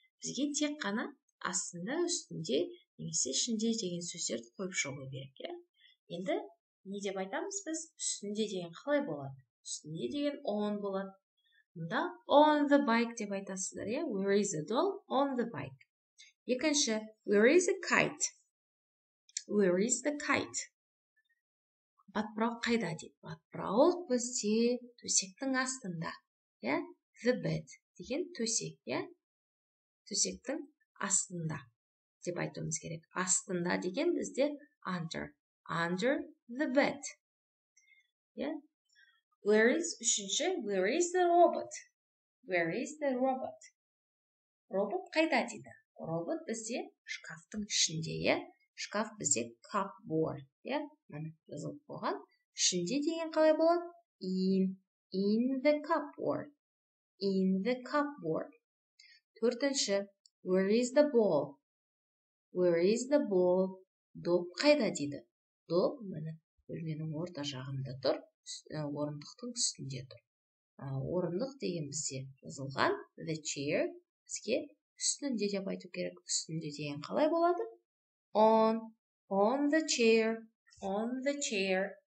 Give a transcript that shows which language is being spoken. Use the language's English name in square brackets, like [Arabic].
[Kazakh] Бізге тек қана астында, үстінде, немесе ішінде деген сөздерді қойып шығу керек. Yeah? Енді не деп айтамыз біз? Үстінде деген қалай болады? Үстінде деген on болады. Мұнда [English] on the bike [Kazakh] деп айтасыздар. [English] Е? Where is the doll? On the bike. Екінші, where is the kite? Where is the kite? [Kazakh] Батпырауық қайда дейді? Батпырауық бізде төсектің астында. Е? [English] The bed [Kazakh] деген төсек. Е? Төсектің астында деп айтуымыз керек. Астында деген бізде under. [English] Under the bed. Е? Where is, үшінші, where is the robot? Where is the robot? [Kazakh] Робот қайда дейді? Робот бізде шкафтың ішінде, е? Шкаф бізде cupboard, е? Мені жазылып болған. Ішінде деген қалай болады? [English] In. In the cupboard. In the cupboard. Төртінші, where is the ball? Where is the ball? [Kazakh] Доп қайда дейді? Доп, мені бөлменің орта жағында тұр. Орындықтың үстінде тұр. Орындық деген бізде жазылған. [English] The chair [Kazakh] бізге үстінде деп айту керек. Үстінде деген қалай болады? [English] On. On the chair. On the chair.